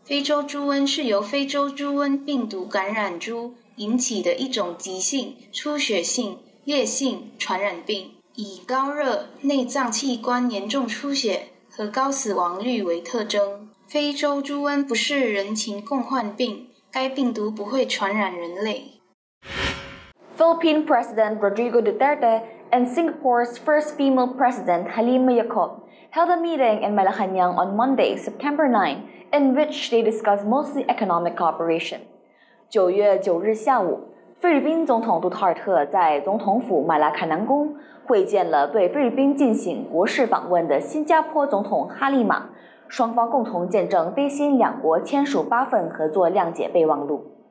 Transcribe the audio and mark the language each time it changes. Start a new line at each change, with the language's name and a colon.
Chinese: 非洲猪瘟是由非洲猪瘟病毒感染猪引起的一种急性、出血性、烈性传染病，以高热、内脏器官严重出血和高死亡率为特征。非洲猪瘟不是人禽共患病，该病毒不会传染人类。
English: Philippine President Rodrigo Duterte and Singapore's first female president Halimah held a meeting in Malacañang on Monday, September 9, in which they discussed mostly economic cooperation.
Chinese: 9月9日下午，菲律宾总统杜特尔特在总统府马拉卡南宫会见了对菲律宾进行国事访问的新加坡总统哈利马，双方共同见证菲新两国签署8份合作谅解备忘录。